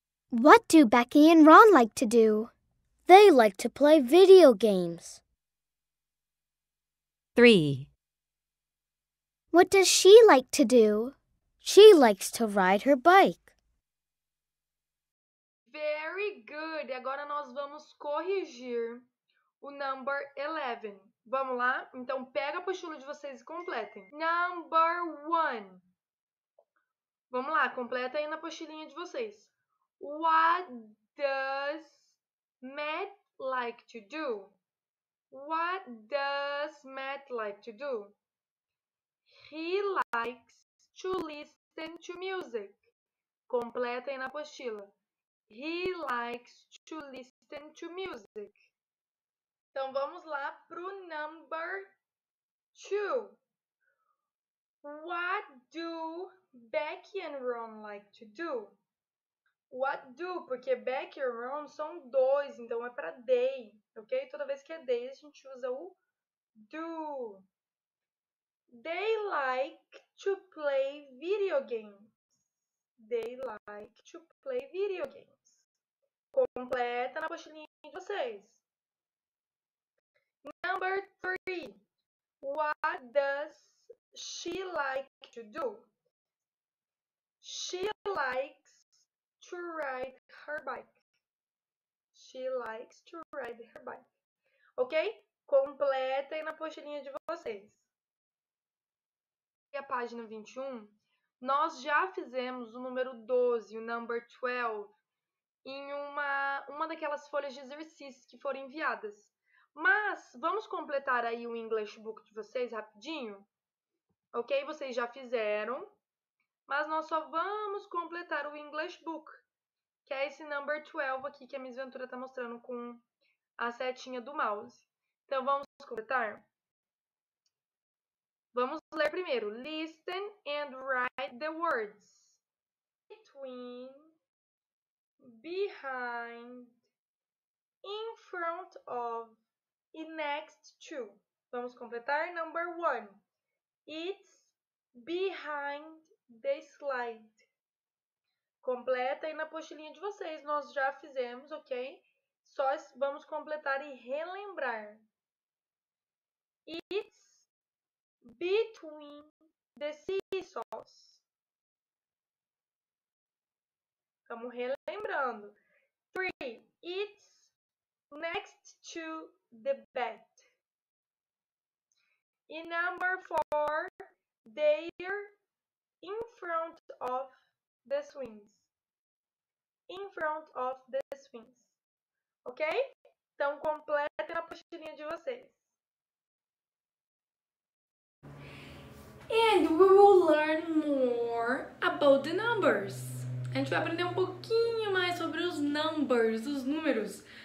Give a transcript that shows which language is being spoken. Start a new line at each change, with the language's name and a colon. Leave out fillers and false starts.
English: What do Becky and Ron like to do? They like to play video games. 3. What does she like to do? She likes to ride her bike. Very good!
Portuguese: Agora nós vamos corrigir o number 11. Vamos lá? Então, pega a apostila de vocês e completem. Number 1. Vamos lá, completa aí na apostilinha de vocês.
English: What does Matt like to do? What does Matt like to do? He likes to listen to music.
Portuguese: Completa aí na apostila.
English: He likes to listen to music.
Portuguese: Então vamos lá pro number 2.
English: What do Becky and Ron like to do? What do?
Portuguese: Porque Becky and Ron são dois, então é para they, ok? Toda vez que é they, a gente usa o do.
English: They like to play video games. They like to play video games.
Portuguese: Completa na postilhinha de vocês.
English: Number 3. What does she like to do? She likes to ride her bike. She likes to ride her bike. Ok?
Portuguese: Completa aí na postilhinha de vocês. A página 21, nós já fizemos o número 12, o number 12, em uma daquelas folhas de exercícios que foram enviadas. Mas, vamos completar aí o English Book de vocês rapidinho? Ok? Vocês já fizeram, mas nós só vamos completar o English Book, que é esse number 12 aqui que a Miss Ventura está mostrando com a setinha do mouse. Então, vamos completar? Vamos ler primeiro.
English: Listen and write the words. Between, behind, in front of, e next to.
Portuguese: Vamos completar.
English: Number 1. It's behind the slide.
Portuguese: Completa aí na apostilinha de vocês. Nós já fizemos, ok? Só vamos completar e relembrar.
English: It's between the seesaws.
Portuguese: Estamos relembrando.
English: 3. It's next to the bed. E number 4. They're in front of the swings. In front of the swings. Ok?
Portuguese: Então, completem a apostilinha de vocês.
English: And we will learn more about the numbers.
Portuguese: A gente vai aprender um pouquinho mais sobre os numbers, os números.